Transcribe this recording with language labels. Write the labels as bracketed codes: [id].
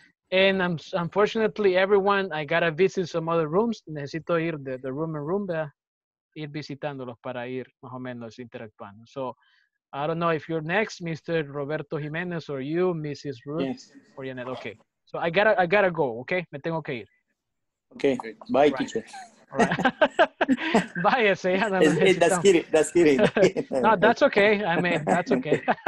[en] And unfortunately, everyone, I gotta visit some other rooms. [es] Necesito ir de room in room, ir visitándolos para ir más o menos interactuando. [en] So, I don't know if you're next, Mr. Roberto Jimenez, or you, Mrs. Ruth, yes. Or Janet. Okay. So, I gotta go, okay? [es] Me tengo que ir. [en] Okay. Bye, right. Teacher. Right. Bye, say. That's kidding. No, that's okay. I mean, that's okay.